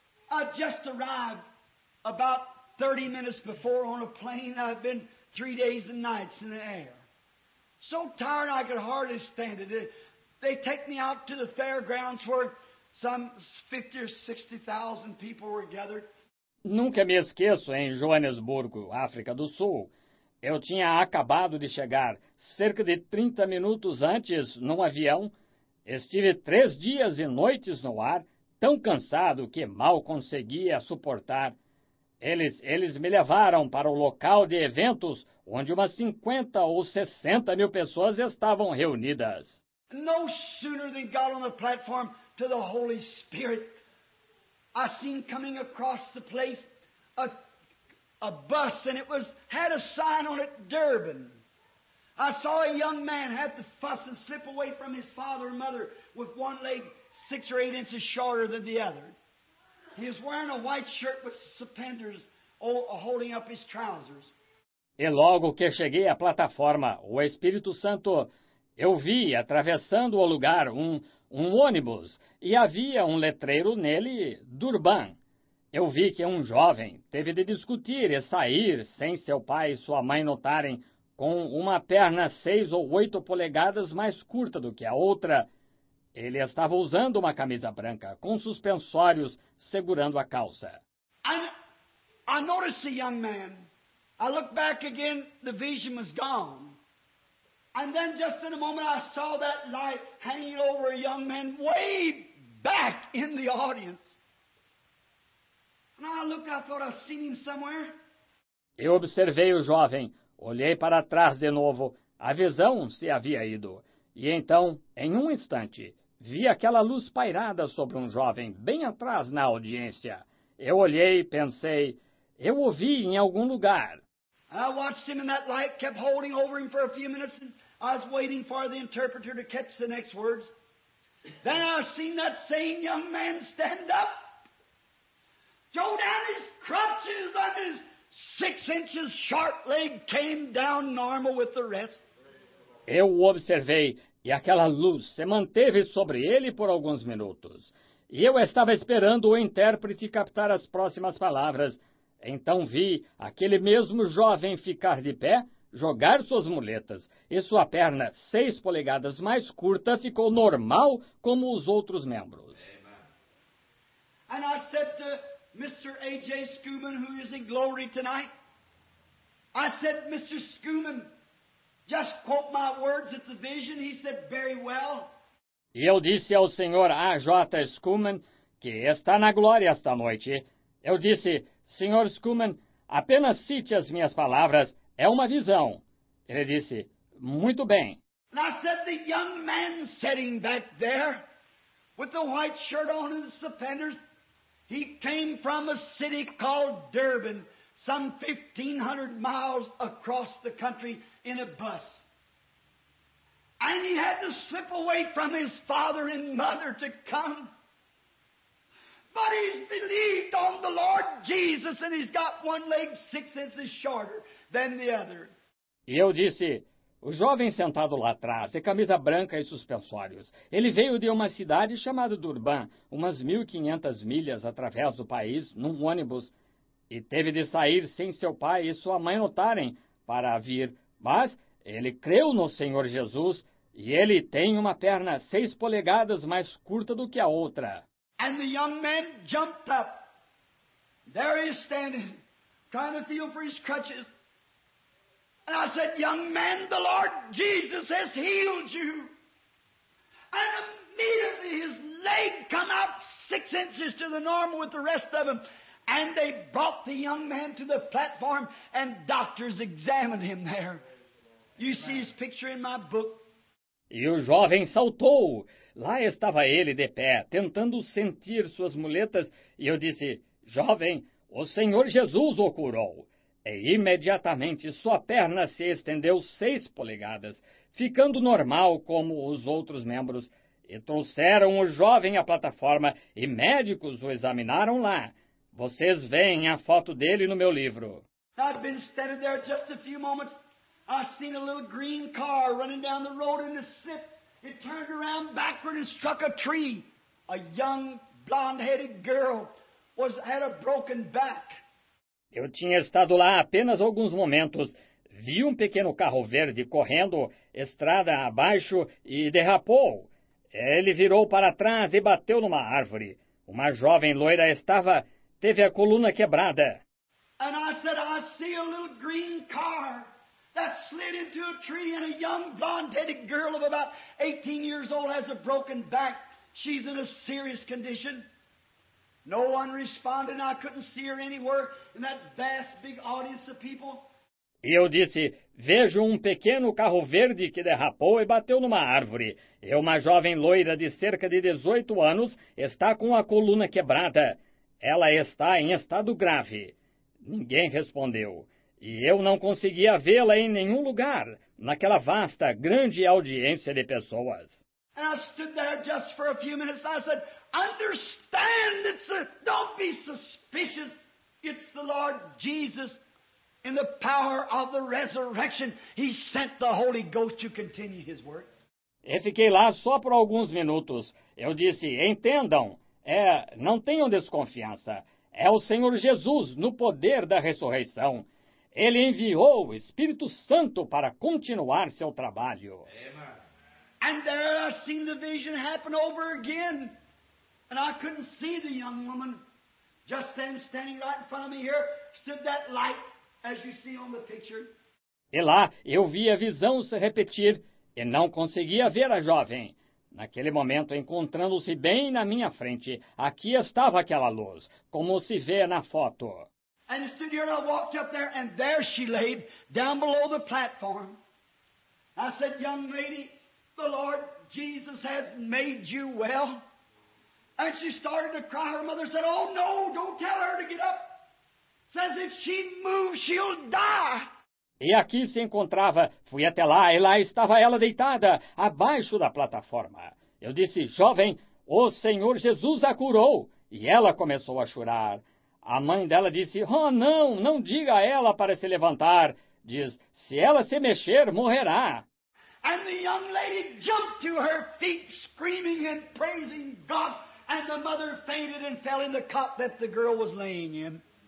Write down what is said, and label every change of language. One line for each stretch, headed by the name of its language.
English: I just arrived about 30 minutes before on a plane. I've been 3 days and nights in the air. So tired I could hardly stand it. They take me out to the fairgrounds where some 50 or 60,000 people were gathered.
Portuguese: Nunca me esqueço em Joanesburgo, África do Sul. Eu tinha acabado de chegar cerca de 30 minutos antes num avião. Estive 3 dias e noites no ar, tão cansado que mal conseguia suportar. Eles me levaram para o local de eventos onde umas 50 ou 60 mil pessoas estavam reunidas.
English: No sooner than got on the platform to the Holy Spirit, I seen coming across the place a bus, and it was had a sign on it, Durban. I saw a young man have to fuss and slip away from his father and mother with one leg 6 or 8 inches shorter than the other. He was wearing a white shirt with suspenders holding up his trousers.
Portuguese: E logo que cheguei à plataforma, o Espírito Santo, eu vi atravessando o lugar um ônibus e havia um letreiro nele, Durban. Eu vi que um jovem teve de discutir e sair sem seu pai e sua mãe notarem, com uma perna 6 ou 8 polegadas mais curta do que a outra. Ele estava usando uma camisa branca, com suspensórios segurando a calça.
English: I noticed a young man. I looked back again, the vision was gone. And then just in a moment I saw that light hanging over a young man way back in the audience. And I looked, I thought I'd seen him somewhere.
Portuguese: Eu observei o jovem, olhei para trás de novo, a visão se havia ido. E então, em um instante, vi aquela luz pairada sobre um jovem bem atrás na audiência. Eu olhei e pensei, eu o vi em algum lugar.
English: And I watched him, and that light kept holding over him for a few minutes, and I was waiting for the interpreter to catch the next words. Then I seen that same young man stand up. Joe down his crutches and his 6 inches sharp leg came down normal with the rest.
Portuguese: Eu o observei e aquela luz se manteve sobre ele por alguns minutos. E eu estava esperando o intérprete captar as próximas palavras. Então vi aquele mesmo jovem ficar de pé, jogar suas muletas, e sua perna 6 polegadas mais curta ficou normal como os outros membros.
English: And I said to Mr. A.J. Schuman, who is in glory tonight, I said, "Mr. Schuman, just quote my words, it's a vision." He said, "Very well."
Portuguese: E eu disse ao Sr. A.J. Schuman, que está na glória esta noite, eu disse, "Sr. Schuman, apenas cite as minhas palavras, é uma visão." Ele disse, "Muito bem."
English: And I said, "The young man sitting back there, with the white shirt on and the suspenders, he came from a city called Durban, some 1,500 miles across the country in a bus. And he had to slip away from his father and mother to come. But he's believed on the Lord Jesus and he's got one leg 6 inches shorter than the other.
Portuguese: E eu disse, o jovem sentado lá atrás, de camisa branca e suspensórios, ele veio de uma cidade chamada Durban, umas 1.500 milhas através do país, num ônibus, e teve de sair sem seu pai e sua mãe notarem para vir. Mas ele creu no Senhor Jesus e ele tem uma perna 6 polegadas mais curta do que a outra.
English: And the young man jumped up. There he is standing, trying to feel for his crutches. And I said, young man, the Lord Jesus has healed you. And immediately his leg come out 6 inches to the normal with the rest of him. And they brought the young man to the platform and doctors examined him there. You see his picture in my book.
Portuguese: E o jovem saltou. Lá estava ele de pé, tentando sentir suas muletas. E eu disse, jovem, o Senhor Jesus o curou. E imediatamente sua perna se estendeu 6 polegadas, ficando normal como os outros membros. E trouxeram o jovem à plataforma e médicos o examinaram lá. Vocês veem a foto dele no meu livro.
English: I've been standing there just a few moments. I seen a little green car running down the road in a slip. It turned around backward and struck a tree. A young blonde-headed girl had a broken back.
Portuguese: Eu tinha estado lá apenas alguns momentos. Vi um pequeno carro verde correndo estrada abaixo e derrapou. Ele virou para trás e bateu numa árvore. Uma jovem loira teve a coluna quebrada.
English: And I said, I see a little green car. That slid into a tree and a young blonde-headed girl of about 18 years old has a broken back. She's in a serious condition. No one responded. I couldn't see her anywhere in that vast big audience of people.
Portuguese: E eu disse, vejo um pequeno carro verde que derrapou e bateu numa árvore. E uma jovem loira de cerca de 18 anos está com a coluna quebrada. Ela está em estado grave. Ninguém respondeu. E eu não conseguia vê-la em nenhum lugar, naquela vasta, grande audiência de pessoas.
English: And I stood there just for a few minutes. I said, understand, don't be suspicious. It's the Lord Jesus in the power of the resurrection. He sent the Holy Ghost to continue his work.
Portuguese: E fiquei lá só por alguns minutos. Eu disse, entendam, não tenham desconfiança. É o Senhor Jesus no poder da ressurreição. Ele enviou o Espírito Santo para continuar seu trabalho.
English: And there I seen the vision happen over again. And I couldn't see the young woman. Just then, standing right in front of me here, stood that light, as you see on the picture.
Portuguese: E lá, eu vi a visão se repetir e não conseguia ver a jovem. Naquele momento, encontrando-se bem na minha frente, aqui estava aquela luz, como se vê na foto.
English: And stood here and I walked up there and there she laid down below the platform. I said, young lady, the Lord Jesus has made you well. And she started to cry. Her mother said, oh no, don't tell her to get up. Says if she moves, she'll die.
Portuguese: E aqui se encontrava. Fui até lá e lá estava ela deitada, abaixo da plataforma. Eu disse, jovem, o Senhor Jesus a curou. E ela começou a chorar. A mãe dela disse, oh, não, não diga a ela para se levantar. Diz, se ela se mexer, morrerá.
English: And the young lady jumped to her feet, screaming and praising God. And the mother fainted and fell in the cot that the girl was laying in.